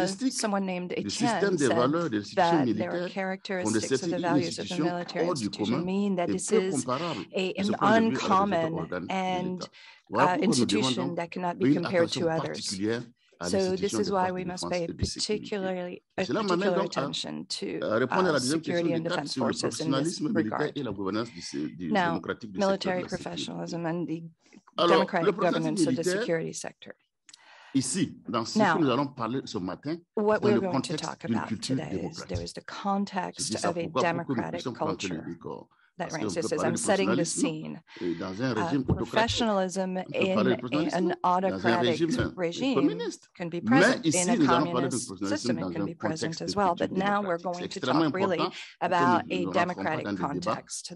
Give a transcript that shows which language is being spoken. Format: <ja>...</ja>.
<en>Someone named Etienne said that there are characteristics of the values of the military institution mean that this is an uncommon and institution that cannot be compared to others. So this is why we must pay particular attention to security and defense forces in this regard. Now, military professionalism and the democratic governance of the security sector.</en> <fr>Ici, dans ce now, que nous allons parler ce matin,</fr> <en>what we're going to talk about today is there is the context of a democratic culture that ranks this as I'm setting the scene.</en> <fr>Dans un régime</fr> <en>professionalism in an autocratic regime can be present</en> <fr>ici,</fr> <en>in a communist system, it can be present as well. But now we're going to talk really about a democratic context.</en>